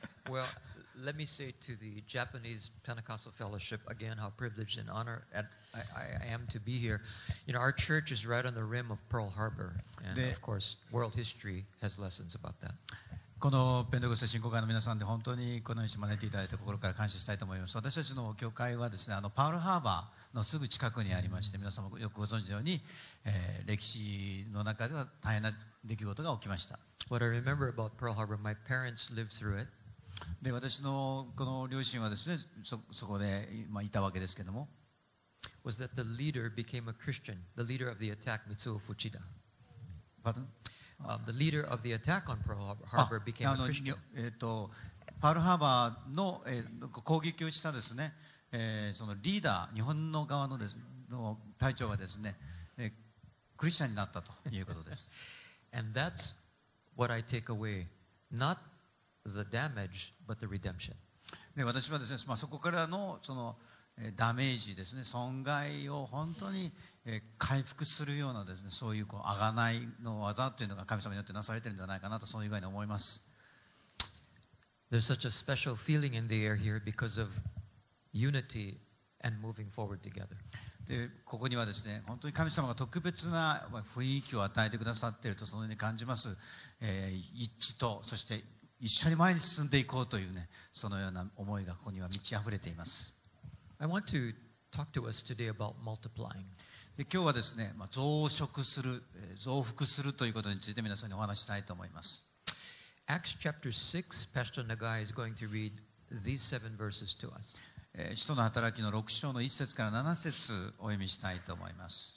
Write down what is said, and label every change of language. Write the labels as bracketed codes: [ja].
[en] Well, let me say to the Japanese Pentecostal Fellowship again how privileged and honored I am to be here. You know, our church is right on the rim of Pearl Harbor, and of course, world history has lessons about that. [ja] このペンテコステ信仰会の皆さんで本当にこの日招いていただいて心から感謝したいと思います。私たちの教会はですね、パールハーバーのすぐ近くにありまして、皆さんもよくご存知のように、歴史の中では大変な出来事が起きました。 [en] What I remember about Pearl Harbor, my parents lived through it. [ja] で、私のこの両親はですね、そこで、まあ、いたわけですけども。 [en] Was that the leader became a Christian, the leader of the attack, Mitsuo Fuchida? Pardon? The leader of the attack on Pearl Harbor became a Christian. [ja] パールハーバーの、攻撃をしたですね、そのリーダー、日本の側のですの隊長がですね、クリスチャンになったということです。 [en] And that's what I take away, not the damage, but the redemption. [ja] で、私はですね、まあ、そこからのそのダメージですね、損害を本当に回復するようなですね、そういうこう贖いの技というのが神様によってなされているんじゃないかなと、そういう具合に思います。 [en] There's such a special feeling in the air here because of unity and moving forward together. [ja] で、ここにはですね、本当に神様が特別な雰囲気を与えてくださっていると、そのように感じます。一致と、そして一緒に前に進んでいこうというね、そのような思いがここには満ち溢れています。 [en] I want to talk to us today about multiplying. [ja] で、今日はですね、まあ、増殖する、増幅するということについて皆さんにお話したいと思います。 [en] Acts chapter 6, Pastor Nagai is going to read these seven verses to us. [ja] 使徒の働きの6章の1節から7節お読みしたいと思います。